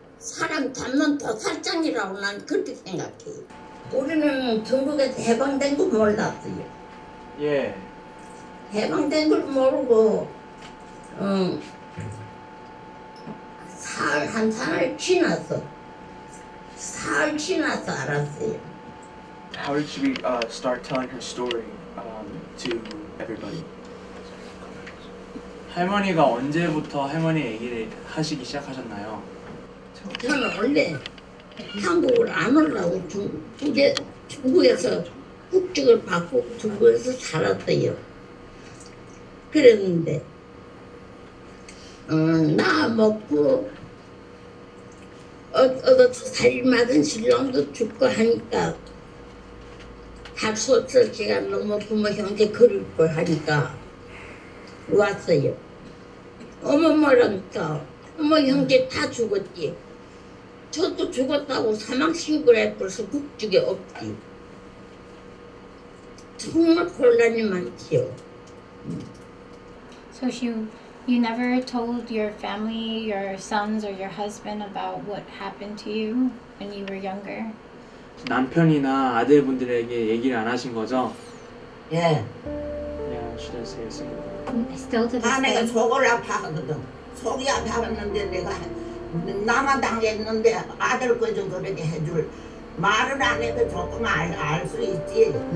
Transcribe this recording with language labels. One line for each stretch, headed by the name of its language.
Korean: 사람 잡는 도살장이라고 난 그렇게 생각해요. 우리는 중국에서 해방된 거 몰랐어요. 예. 해방된 걸 모르고 사흘 한 사흘 지났어. 사흘 지나서 알았어요.
English: How did she start telling her story to everybody?
Korean: 할머니가 언제부터 할머니 얘기를 하시기 시작하셨나요? 저는 원래 한국을 안 오려고 중국에서 국적을 받고 중국에서 살았어요. 그랬는데 나 먹고 얻어서 살림하던 신랑도 죽고 하니까 할 수 없어. 제가 너무 부모 형제 그리고 하니까 왔어요. 어머 뭐라니까 부모 형제 다 죽었지. 저도 죽었다고 사망신고를 해버려서 국적이 없지. 정말 곤란이 많지요.
English: So you never told your family, your sons, or your husband about what happened to you when you were younger?
Korean: 남편이나 아들분들에게 얘기를 안 하신 거죠? 예.
English: Yeah, she didn't say a single word. Still to this day.
Korean: 밤에 속을 아파하거든. 속이 아팠는데 내가 나만 당했는데 아들 거 좀 그렇게 해줄 말을 안 해도 조금 알 수 있지.